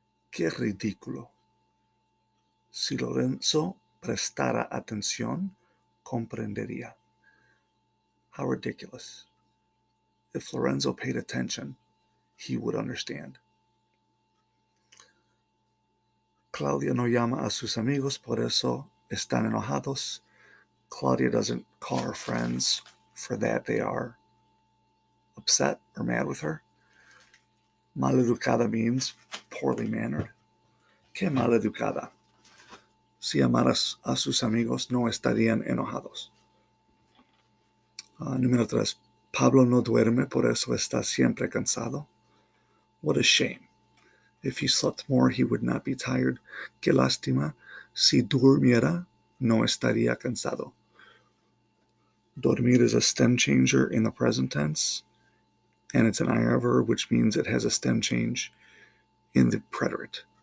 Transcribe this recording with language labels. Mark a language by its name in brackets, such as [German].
[Spanish] Qué ridículo. Si Lorenzo prestara atención, comprendería. [English] How ridiculous. If Lorenzo paid attention, he would understand. [Spanish] Claudia no llama a sus amigos, por eso están enojados. [English] Claudia doesn't call her friends, for that they are upset or mad with her. Maleducada means poorly mannered. [Spanish] Qué maleducada. Si amaras a sus amigos, no estarían enojados. Número tres. Pablo no duerme, por eso está siempre cansado. [English] What a shame. If he slept more, he would not be tired. [Spanish] Qué lástima. Si durmiera, no estaría cansado. [English] Dormir is a stem changer in the present tense. And it's an ir verb, which means it has a stem change in the preterite.